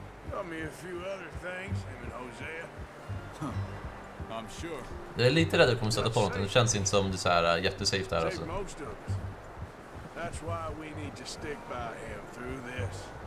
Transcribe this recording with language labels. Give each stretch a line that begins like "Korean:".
English: Taught me a few other things, him and Hosea. I'm sure.
Swedish: Det är lite rädd att komma sätta på någonting. Det känns inte som det så här jättesafe där alltså.
English: That's why we need to stick by him through this.